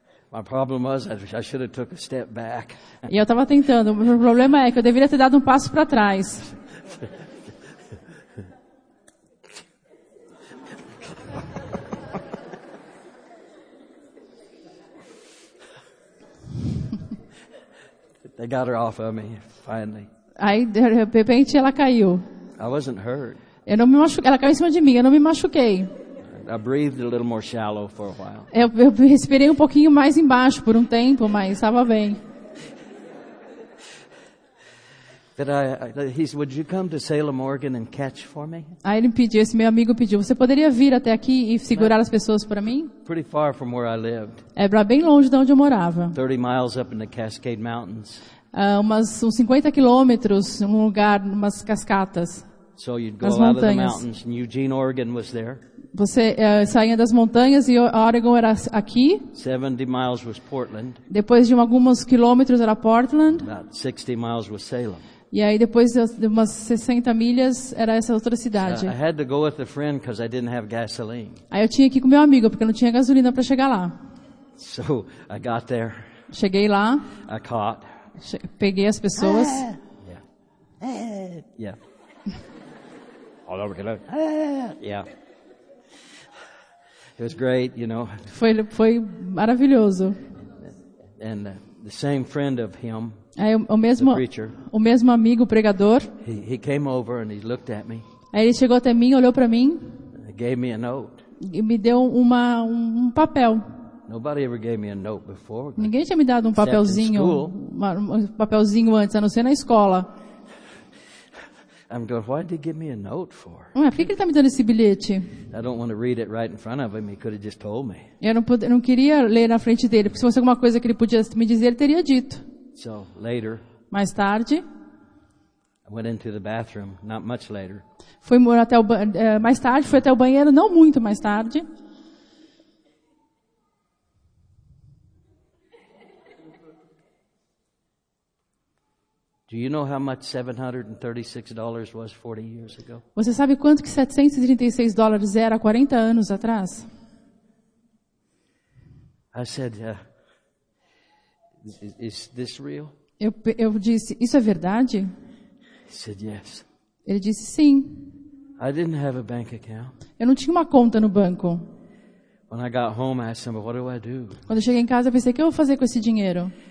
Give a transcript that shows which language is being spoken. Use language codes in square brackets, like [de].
[en] My problem was I should have took a step back. [pt] E eu estava tentando. O problema é que eu deveria ter dado um passo para trás. [en] They got her off of me finally. [pt] Aí de repente ela caiu. [en] I wasn't hurt. [pt] Eu não me machuquei. Ela caiu em cima de mim. Eu não me machuquei. [en] I breathed a little more shallow for a while. [pt] Eu respirei um pouquinho mais embaixo por um tempo, mas estava bem. Aí ele pediu, esse meu amigo pediu, você poderia vir até aqui e segurar as pessoas para mim? [en] Pretty far from where I lived. [pt] É bem longe de onde eu morava. [en] 30 miles up in the Cascade Mountains. [pt] Uns 50 quilômetros em um lugar, umas cascatas. [en] So you'd go out of the mountains, and Eugene, Oregon was there. [pt] Você saía das montanhas e Oregon era aqui. [en] 70 miles was Portland. [pt] Depois de alguns quilômetros era Portland. [en] About 60 miles was Salem. [pt] E aí depois de umas 60 milhas era essa outra cidade. [en] So I had to go with a friend because I didn't have gasoline. [pt] Aí eu tinha que ir com meu amigo porque não tinha gasolina para chegar lá. [en] So I got there. [pt] Cheguei lá. [en] I caught. [pt] Peguei as pessoas. [en] All over. Yeah. It was great, you know. [pt] Foi maravilhoso. [en] And the same friend of him. [pt] O mesmo amigo pregador. [en] He came over and he looked at me. [pt] Aí ele chegou até mim, olhou para mim. [en] Gave me a note. [pt] E me deu um papel. [en] Nobody ever gave me a note before. [pt] Ninguém tinha me dado um papelzinho antes, a não ser na escola. [en] I'm going, why did he give me a note for? [pt] Ué, por que ele tá me dando esse bilhete? [en] I don't want to read it right in front of him. He could have just told me. [pt] Eu não queria ler na frente dele, porque se fosse alguma coisa que ele pudesse me dizer, ele teria dito. [en] So later. [pt] Mais tarde. [en] I went into the bathroom. Not much later. [pt] Fui morar até o banheiro, não muito mais tarde. [en] Do you know how much $736 was 40 years ago? [pt] Você sabe quanto que $736 era 40 anos atrás? [en] I said, is this real? [pt] Eu disse, isso é verdade? [en] He said, yes. [pt] Ele disse sim. [en] I didn't have a bank account. [pt] Eu não tinha uma conta no banco. [en] When I got home, I asked him, what do I do? [pt] Quando eu cheguei em casa, eu pensei, o que eu vou fazer com esse dinheiro?